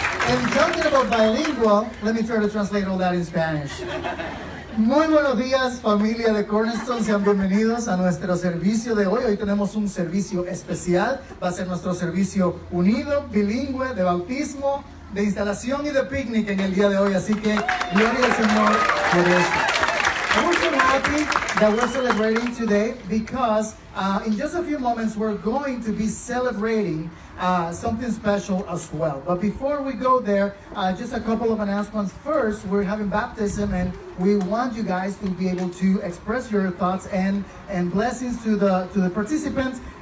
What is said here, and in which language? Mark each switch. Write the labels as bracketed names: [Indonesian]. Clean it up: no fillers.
[English] And talking about bilingual, let me try to translate all that in Spanish. [Spanish] Muy buenos días, familia de Cornerstone. Sean bienvenidos a nuestro servicio de hoy. Hoy tenemos un servicio especial. Va a ser nuestro servicio unido, bilingüe, de bautismo, de instalación y de picnic en el día de hoy. Así que, gloria al Señor por eso. [English] I'm so happy that we're celebrating today because in just a few moments, we're going to be celebrating something special as well. But before we go there, just a couple of announcements. First, we're having baptism and we want you guys to be able to express your thoughts and blessings to the participants.